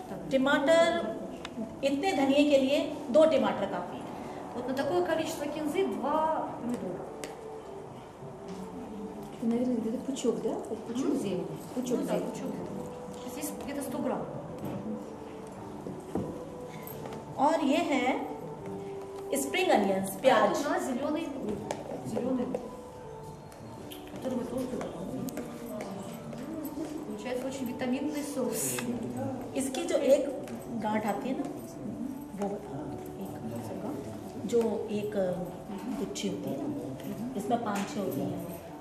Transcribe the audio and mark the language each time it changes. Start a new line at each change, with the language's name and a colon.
Hindi: टमाटर इतने धनिये के लिए दो टमाटर काफी है. उतना
Russian: такое количество кинзы два помидора. И, наверное, где-то пучок, да? Пучок зелени. Пучок зелени. Пучок. Здесь где-то 100 грамм.
Hindi: और ये है स्प्रिंग अनियंस, प्याज.
Russian: Это у нас зеленый, зеленый, который мы тоже добавляем. Получается очень витаминный соус.
Hindi: इसकी जो एक गांठ आती है ना वो एक जो एक गुच्छी होती है ना इसमें पांच छह होती है.